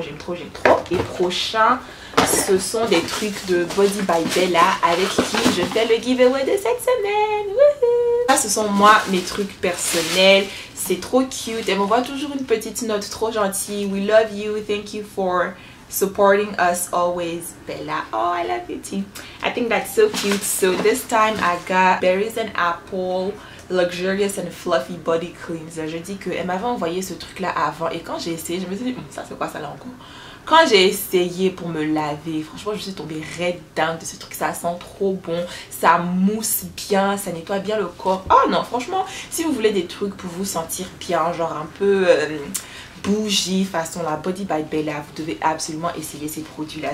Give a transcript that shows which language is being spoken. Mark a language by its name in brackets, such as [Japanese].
[French] Et prochain, ce sont des trucs de Body by Bella avec qui je fais le giveaway de cette semaine. Woohoo! Ça, ce sont moi, mes trucs personnels. C'est trop cute. Elle m'envoie toujours une petite note trop gentille. [English] We love you. Thank you for supporting us always, Bella. Oh, I love you too. I think that's so cute. So this time I got berries and apple luxurious and fluffy body cleanser. [French] Je dis qu'elle m'avait envoyé ce truc là avant. Et quand j'ai essayé, je me suis dit, ça c'est quoi ça là encore? Quand j'ai essayé pour me laver, franchement, je suis tombée red dingue de ce truc. Ça sent trop bon, ça mousse bien, ça nettoie bien le corps. Oh non, franchement, si vous voulez des trucs pour vous sentir bien, genre un peu bougie façon la Body by Bella, vous devez absolument essayer ces produits-là.